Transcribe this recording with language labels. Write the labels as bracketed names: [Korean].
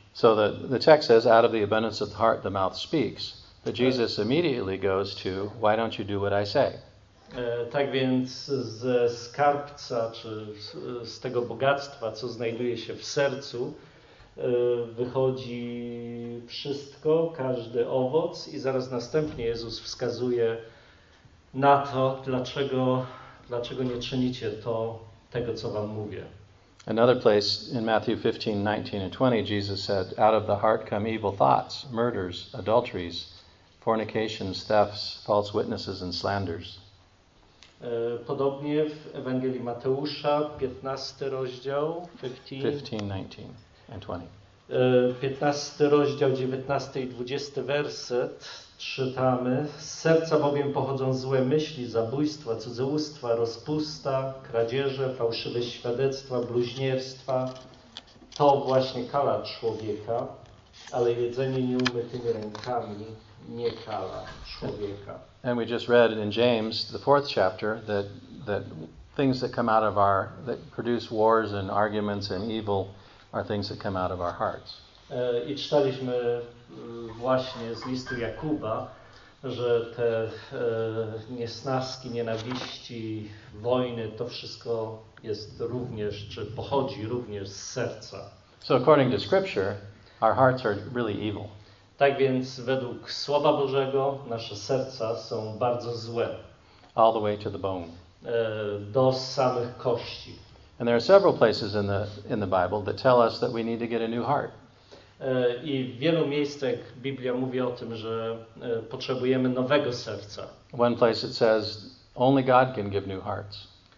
[English] So the text says, out of the abundance of the heart, the mouth speaks. But Jesus immediately goes to, why don't you do what I say? [Polish] Tak więc ze skarbca, czy z tego bogactwa, co znajduje się w sercu, wychodzi wszystko, każdy owoc i zaraz następnie Jezus wskazuje na to, dlaczego nie czynicie to, tego, co wam mówię. [English] Another place in Matthew 15:19-20, Jesus said, out of the heart come evil thoughts, murders, adulteries, fornications, thefts, false witnesses and slanders. [Polish] Podobnie w Ewangelii Mateusza, 15 rozdział, 15:19-20. 15 rozdział, 19 i 20 werset czytamy: z serca bowiem pochodzą złe myśli, zabójstwa, cudzołóstwa, rozpusta, kradzieże, fałszywe świadectwa, bluźnierstwa. To właśnie kala człowieka, ale jedzenie nieumytymi rękami nie kala człowieka. [English] And we just read in James, the fourth chapter, that things that come out of our, that produce wars and arguments and evil, are things that come out of our hearts. [Polish] I czytaliśmy właśnie z listu Jakuba, że te niesnaski, nienawiści, wojny, to wszystko jest również, czy pochodzi również z serca. [English] So according to Scripture, our hearts are really evil. [Polish] Tak więc według Słowa Bożego nasze serca są bardzo złe. [English] All the way to the bone. [Polish] Do samych kości. [English] And there are several places in the Bible that tell us that we need to get a new heart. [Polish] I w wielu miejscach Biblia mówi o tym, że potrzebujemy nowego serca. [English] One place it says only God can give new hearts.